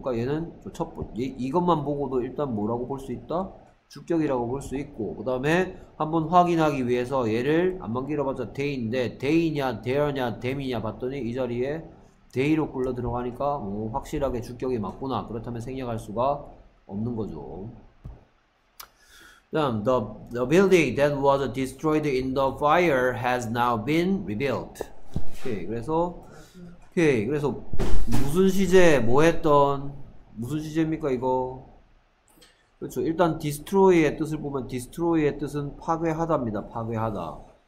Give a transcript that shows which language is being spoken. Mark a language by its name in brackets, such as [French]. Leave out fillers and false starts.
[Korean] 그러니까 얘는 이것만 보고도 일단 뭐라고 볼수 있다? 주격이라고 볼수 있고, 그 다음에 한번 확인하기 위해서 얘를 안만 길어봤자 데이인데, 데이냐, 데어냐, 데미냐 봤더니 이 자리에 데이로 굴러 들어가니까 뭐 확실하게 주격이 맞구나. 그렇다면 생략할 수가 없는 거죠. 다음, [English] the building that was destroyed in the fire has now been rebuilt. [Korean] 오케이, 그래서 오케이. 그래서 무슨 시제, 뭐 했던, 무슨 시제입니까 이거? 그렇죠. 일단 디스트로이의 뜻을 보면 디스트로이의 뜻은 파괴하다입니다. 파괴하다.